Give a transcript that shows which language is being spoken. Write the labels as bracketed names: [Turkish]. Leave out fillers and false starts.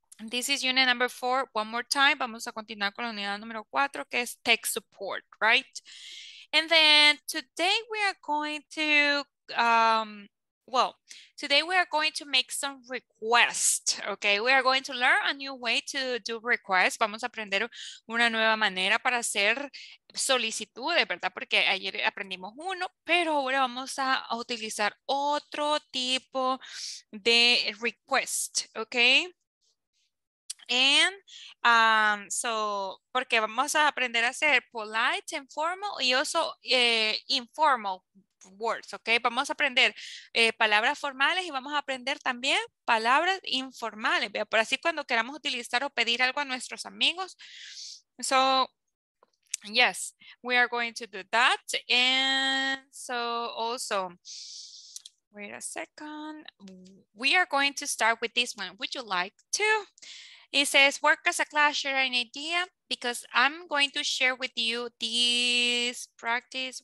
[English] This is unit number 4. One more time. [Spanish] Vamos a continuar con la unidad número 4, que es tech support, right? [English] And then today we are going to, well, today we are going to make some requests, okay? We are going to learn a new way to do requests. [Spanish] Vamos a aprender una nueva manera para hacer solicitudes, ¿verdad? Porque ayer aprendimos uno, pero ahora vamos a utilizar otro tipo de request, okay? [English] And so, [Spanish] porque vamos a aprender a ser [English] polite, informal, y also informal words, okay? [Spanish] Vamos a aprender palabras formales y vamos a aprender también palabras informales. ¿Ve? Por así cuando queramos utilizar o pedir algo a nuestros amigos. [English] So, yes, we are going to do that. And so also, wait a second. We are going to start with this one. Would you like to? It says, work as a class, share an idea, because I'm going to share with you this practice.